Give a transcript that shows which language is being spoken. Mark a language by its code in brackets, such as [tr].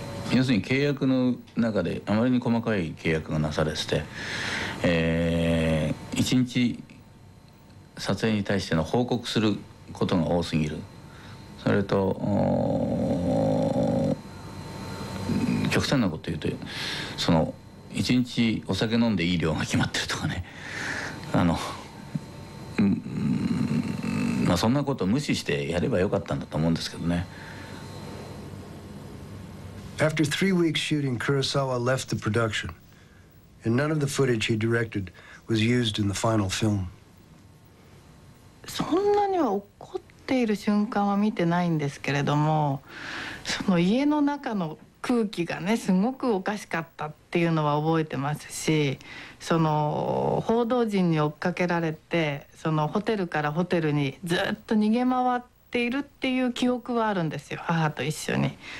[ja] 要するに契約の中であまりに細かい契約がなされてて、1日撮影に対しての報告することが多すぎる、それと極端なこと言うと、その1日お酒飲んでいい量が決まってるとかね、そんなことを無視してやればよかったんだと思うんですけどね。 [en] After 3 weeks shooting, Kurosawa left the production, and none of the footage he directed was used in the final film. [ja] そんなには怒っている瞬間は見てないんですけれども、その家の中の空気がね、すごくおかしかったっていうのは覚えてますし、その報道陣に追っかけられて、そのホテルからホテルにずっと逃げ回っているっていう記憶はあるんですよ、母と一緒に。